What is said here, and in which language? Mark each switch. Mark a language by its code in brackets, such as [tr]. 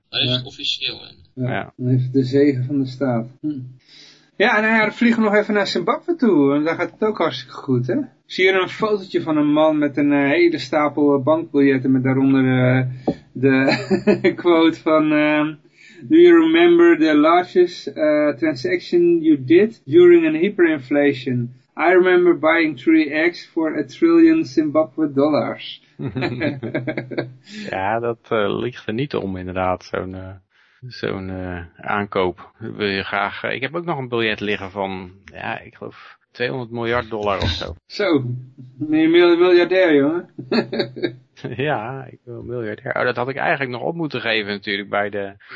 [nl] Dat is het officieel. Ja, ja, dan is het de zegen van de staat. Ja, en dan vliegen we nog even naar Zimbabwe toe, want daar gaat het ook hartstikke goed, hè? Ik zie hier een fotootje van een man met een hele stapel bankbiljetten met daaronder de quote van... [en] Do you remember the largest transaction you did during an hyperinflation? I remember buying 3x for $1 trillion Zimbabwe dollars. [nl] Ja, dat ligt er niet om inderdaad, zo'n... Zo'n aankoop wil je graag. Ik heb ook nog een biljet liggen van, ja, ik geloof $200 miljard of zo. Zo, ben je een miljardair, jongen? Ja, ik ben een miljardair. Oh, dat had ik eigenlijk nog op moeten geven natuurlijk bij de...